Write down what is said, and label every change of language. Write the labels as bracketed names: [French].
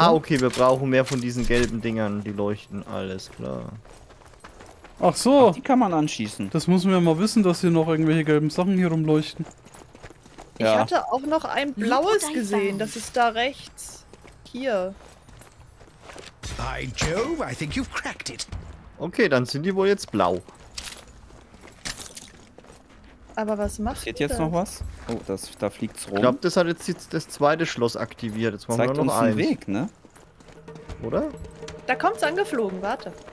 [German] Ah, okay, wir brauchen mehr von diesen gelben Dingern, die leuchten, alles klar. Ach so. Ach, die kann man anschießen. Das müssen wir mal wissen, dass hier noch irgendwelche gelben Sachen hier rumleuchten. Ja. Ich hatte auch noch ein blaues gesehen, das ist da rechts. Hier. [English] By Jove, I think you've cracked it. [German] Okay, dann sind die wohl jetzt blau. Aber was macht das? Geht jetzt noch was? Oh, das, da fliegt's rum. Ich glaube, das hat jetzt das zweite Schloss aktiviert. Jetzt wollen wir noch einen Weg, ne? Oder? Da kommt's angeflogen, warte.